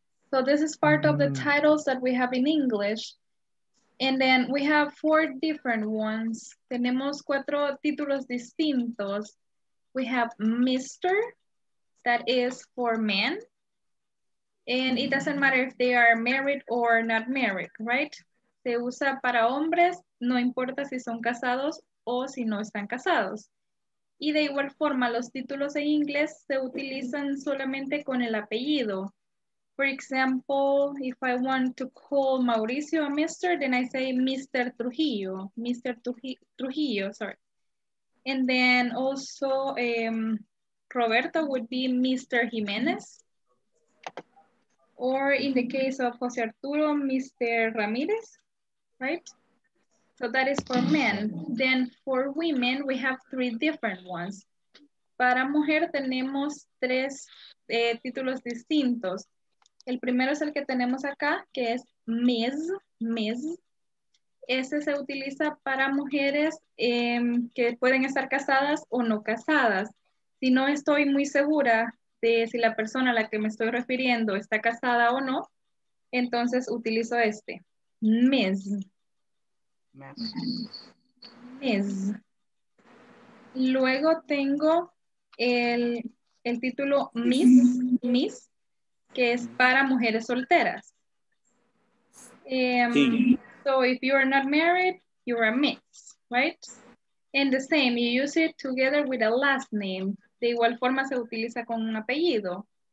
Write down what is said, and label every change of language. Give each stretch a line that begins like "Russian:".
English: So this is part of the titles that we have in English. And then we have four different ones.
Spanish: Tenemos cuatro títulos distintos.
English: We have Mr., that is for men. And it doesn't matter if they are married or not married, right?
Spanish: Se usa para hombres, no importa si son casados o si no están casados. Y de igual forma, los títulos en inglés se utilizan solamente con el apellido.
English: For example, if I want to call Mauricio a Mr., then I say Mr. Trujillo. Mr. Trujillo, sorry. And then also Roberto would be Mr. Jimenez. or in the case of Jose Arturo, Mr. Ramirez, right? So that is for men. Then for women, we have three different ones.
Spanish: Para mujer tenemos tres títulos distintos. El primero es el que tenemos acá, que es Ms. Ms. Ese se utiliza para mujeres que pueden estar casadas o no casadas. Si no estoy muy segura de si la persona a la que me estoy refiriendo está casada o no, entonces utilizo este, Ms. Ms. Luego tengo el título Miss, Miss, que es para mujeres solteras.
English: So if you are not married, you are a Miss, right? And the same, you use it together with a last name.
Spanish: De igual forma se utiliza con un apellido.